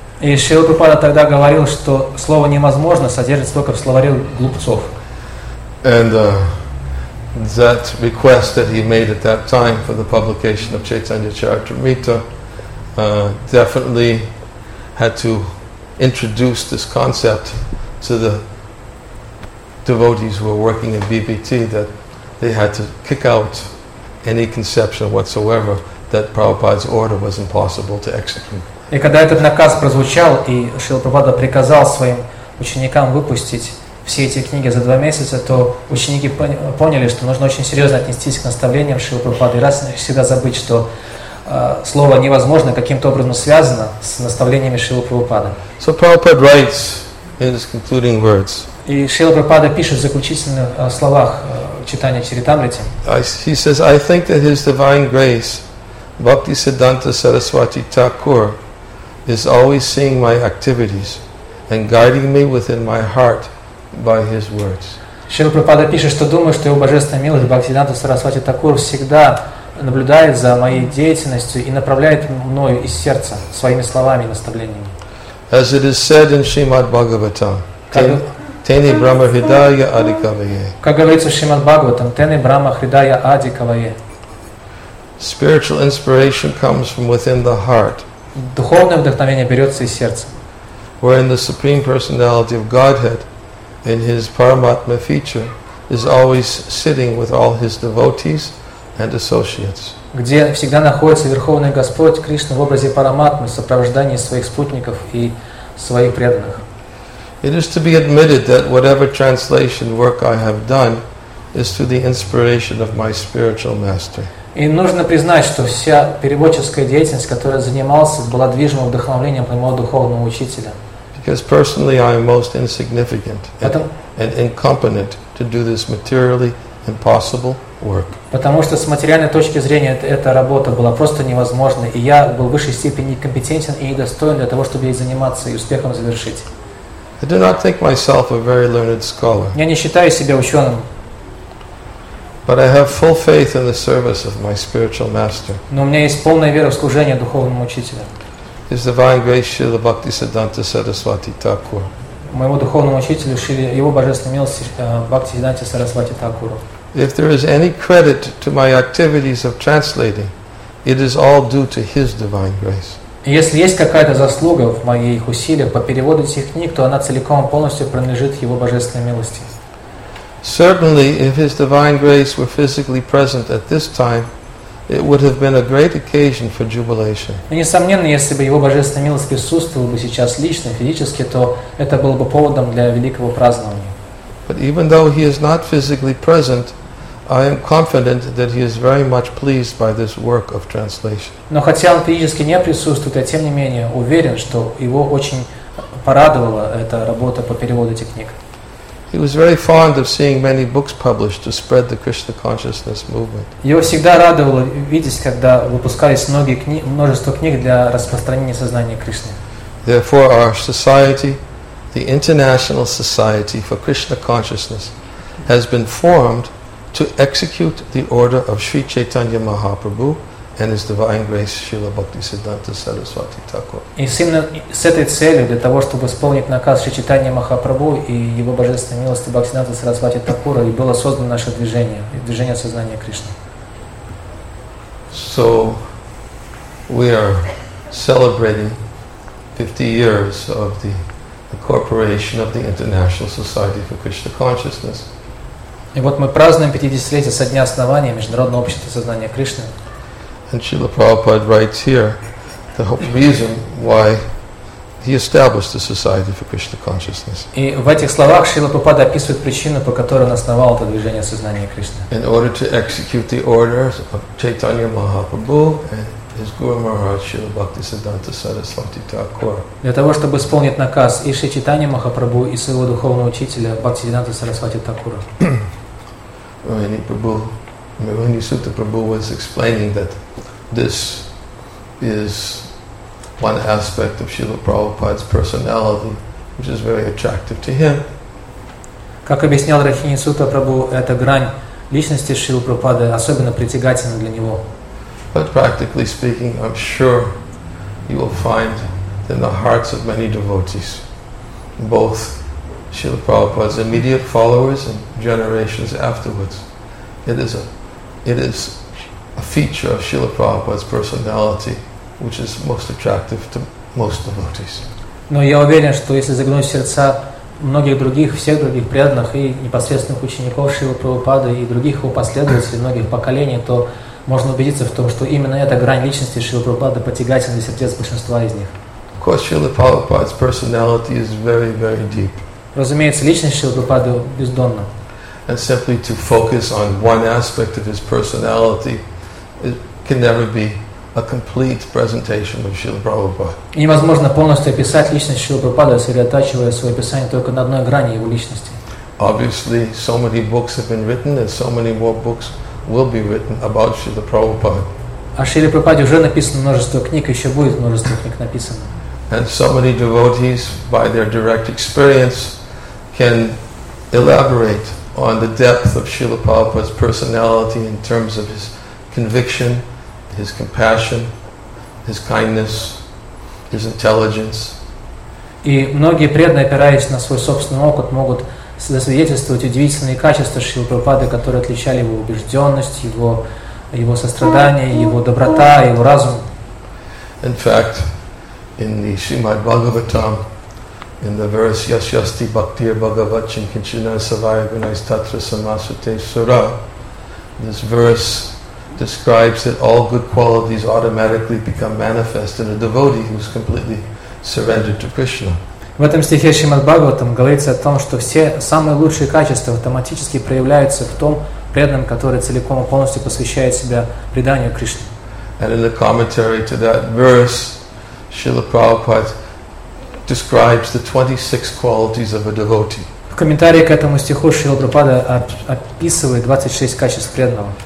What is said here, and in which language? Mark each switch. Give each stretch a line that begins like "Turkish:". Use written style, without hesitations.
Russian: И Шрила Прабхупада тогда говорил, что слово невозможно содержится только в словаре глупцов.
English: And that request that he made at that time for the publication of Chaitanya Charitamrita definitely had to introduce this concept to the devotees who were working in BBT, that they had to kick out any conception whatsoever that Prabhupada's order was impossible to execute.
Russian: И когда этот наказ прозвучал, и Шрила Прабхупада приказал своим ученикам выпустить все эти книги за 2 месяца, то ученики поняли, что нужно очень серьезно отнестись к наставлениям Шрилы Прабхупады и раз и навсегда забыть, что слово невозможно каким-то образом связано с наставлениями Шрилы Прабхупады.
English: So Prabhupada writes in his concluding words.
Russian: И Шрила Прабхупада пишет в заключительных словах читания Чаритамриты.
English: He says, I think that His Divine Grace, Bhakti Siddhanta Saraswati Thakur, is always seeing my activities and guiding me within my heart by His words.
Russian: Шрила Прабхупада пишет, что думаю, что Его Божественная Милость, Бхакти Сиддханта Сарасвати Такур, всегда наблюдает за моей деятельностью и направляет мною из сердца своими словами и наставлениями.
English: As it is said in Srimad Bhagavatam,
Sanskrit: Тени Брама Хридая Ади Кавайе.
Russian: Как говорится в Шримад Бхагаватам,
Sanskrit: Тени Брама Хридая Ади Кавайе.
English: Spiritual inspiration comes from within the heart.
Russian: духовное вдохновение берется из сердца.
English: Where in the Supreme Personality of Godhead, in His Paramatma feature, is always sitting with all His devotees and associates.
Russian: Где всегда находится Верховный Господь Кришна в образе Параматмы, в сопровождении своих спутников и своих преданных.
English: It is to be admitted that whatever translation work I have done is through the inspiration of my spiritual master.
Russian: И нужно признать, что вся переводческая деятельность, которой я занимался, была движима вдохновлением моего духовного учителя.
English: Because personally I am most insignificant and incompetent to do this materially impossible work.
Russian: Потому что с материальной точки зрения эта работа была просто невозможной, и я был в высшей степени некомпетентен и недостоин для того, чтобы ей заниматься и успехом завершить.
English: I do not think myself a very learned scholar.
Russian: Я не считаю себя ученым.
English: But I have full faith in the service of my spiritual master.
Russian: Но у меня есть полная вера в служение духовному учителю.
English: His divine grace Śrīla Bhaktisiddhanta Sarasvati Thakur.
Russian: Моему духовному учителю Шри, его божественной милости Бхактисиддханте Сарасвати Такуру.
English: If there is any credit to my activities of translating, it is all due to His divine grace.
Russian: Если есть какая-то заслуга в моих усилиях по переводу этих книг, то она целиком и полностью принадлежит Его божественной милости.
English: Certainly, if His divine grace were physically present at this time, it would have been a great occasion for jubilation.
Russian: Несомненно, если бы Его божественная милость присутствовала бы сейчас лично, физически, то это было бы поводом для великого празднования.
English: But even though He is not physically present, I am confident that He is very much pleased by this work of translation.
Russian: Но хотя он физически не присутствует, я тем не менее уверен, что его очень порадовала эта работа по переводу этих книг.
English: He was very fond of seeing many books published to spread the Krishna consciousness movement.
Russian: Его всегда радовало видеть, когда выпускались множество книг для распространения сознания Кришны.
English: Therefore, our society, the International Society for Krishna Consciousness, has been formed to execute the order of Sri Chaitanya Mahaprabhu and His Divine Grace Śrīla Bhaktisiddhanta Sarasvati Thakur.
Russian: И именно с этой целью, для того, чтобы исполнить наказ Шри Чайтаньи Махапрабху и Его Божественной Милости Бхактисиддханты Сарасвати Такура, и было создано наше движение, движение сознания Кришны.
English: So, we are celebrating 50 years of the incorporation of the International Society for Krishna Consciousness.
Russian: И вот мы празднуем 50-летие со дня основания Международного общества сознания Кришны.
English: And Srila Prabhupada writes here the whole reason why he established the Society for Krishna Consciousness.
Russian: И в этих словах Шрила Прабхупада описывает причину, по которой он основал это движение сознания Кришны.
English: In order to execute the orders of Chaitanya Mahaprabhu and His Guru Maharaj Srila Bhaktisiddhanta Sarasvati Thakur.
Russian: Для того, чтобы исполнить наказ и Шри Чайтаньи Махапрабху, и своего духовного учителя Бхактисиддханта Сарасвати Такура.
English: Rani Prabhu, Rani Sutta Prabhu was explaining that this is one aspect of Srila Prabhupada's personality which is very attractive to him.
Russian: Как объяснял Рахини Сутта Прабху, эта грань личности Шрилы Прабхупады особенно притягательна для него.
English: But practically speaking, I'm sure you will find in the hearts of many devotees, both Srila Prabhupada's immediate followers and generations afterwards, it is a feature of Srila Prabhupada's personality which is most attractive to most devotees.
Russian: Но я уверен, что если заглянуть в сердца многих других, всех других преданных и непосредственных учеников Шрилы Прабхупады и других его последователей, многих поколений, то можно убедиться в том, что именно эта грань личности Шрилы Прабхупады потягательна для сердец большинства из них.
English: Of course, Srila Prabhupada's personality is very, very deep.
Russian: Разумеется, личность Шрилы Прабхупады бездонна.
English: And simply to focus on one aspect of his personality, it can never be a complete presentation of Srila Prabhupada.
Russian: Невозможно полностью описать личность Шрилы Прабхупады, сосредотачивая свое описание только на одной грани его личности.
English: Obviously, so many books have been written, and so many more books will be written about Srila Prabhupada.
Russian: О Шриле Прабхупаде уже написано множество книг, еще будет множество книг написано.
English: And so many devotees, by their direct experience, can elaborate on the depth of Srila Prabhupada's personality in terms of his conviction, his compassion, his kindness, his intelligence.
Russian: И многие преданные, опираясь на свой собственный опыт, могут засвидетельствовать удивительные качества Шрилы Прабхупады, которые отличали его убежденность, его сострадание, его доброта, его разум.
English: In fact, in the Srimad Bhagavatam, in the verse
Sanskrit: Yashyasti Bhaktir Bhagavat Chinkinchina Savaya Gunais Tatra Samasute Sura,
English: this verse describes that all good qualities automatically become manifest in a devotee who is completely surrendered to Krishna.
Russian: В этом стихе Шримад Бхагаватам говорится о том, что все самые лучшие качества автоматически проявляются в том преданном, который целиком и полностью посвящает себя преданию Кришне.
English: And in the commentary to that verse, Srila Prabhupada describes the 26 qualities of a devotee.
Russian: В комментарии к этому стиху Шрила Прабхупада описывает 26 качеств преданного.